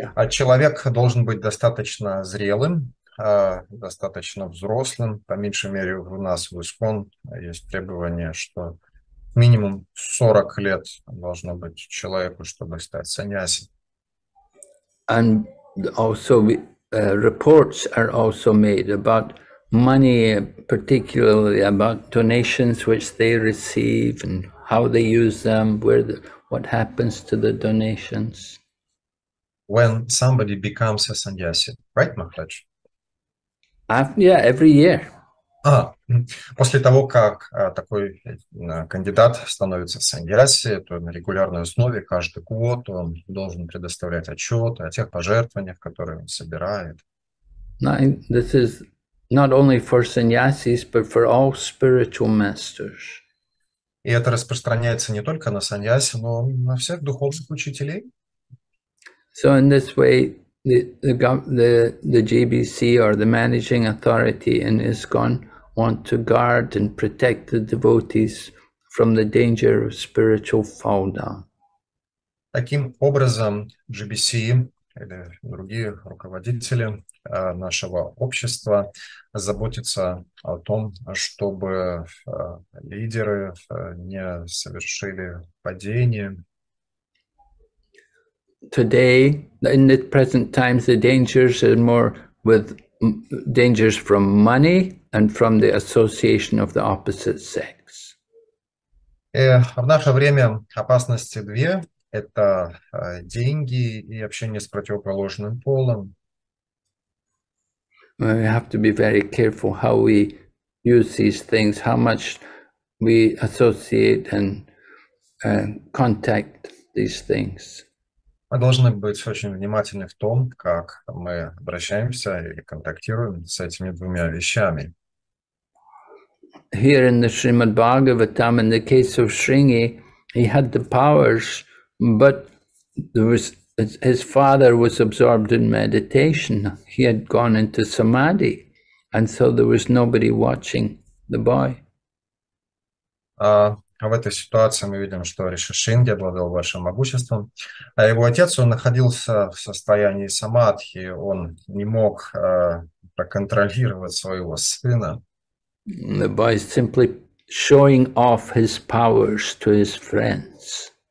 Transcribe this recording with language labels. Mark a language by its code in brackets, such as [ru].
[ru] Человек должен быть достаточно зрелым, достаточно взрослым. По меньшей мере, у нас в ISKCON есть требование, что минимум 40 лет должно быть человеку, чтобы стать саньяси. [en] And also reports are also made about money, particularly about donations which they receive and how they use them, what happens to the donations. When somebody becomes a sannyasi, right, Maharaj? Every year. [ru] После того, как такой кандидат становится саньяси, то на регулярной основе каждый год он должен предоставлять отчет о тех пожертвованиях, которые он собирает. [en] This is not only for sannyasis, but for all spiritual masters. [ru] И это распространяется не только на саньяси, но на всех духовных учителей. [en] So in this way, the JBC or the managing authority in ISKCON want to guard and protect the devotees from the danger of spiritual fall down. [ru] Таким образом, GBC или другие руководители нашего общества заботятся о том, чтобы лидеры не совершили падение. [en] today, in the present times, the dangers are more with dangers from money and from the association of the opposite sex. [ru] В наше время опасности две. Это деньги и общение с противоположным полом. [en] We have to be very careful how we use these things, how much we associate and contact these things. [ru] Мы должны быть очень внимательны в том, как мы обращаемся или контактируем с этими двумя вещами. [en] Here in the Srimad Bhagavatam, in the case of Sringi, he had the powers, but there was his father was absorbed in meditation. He had gone into samadhi, and so there was nobody watching the boy. [ru] В этой ситуации мы видим, что Риши Шинги обладал большим могуществом, а его отец, он находился в состоянии самадхи, он не мог проконтролировать своего сына. [en] The boy is simply showing off his powers to his friends.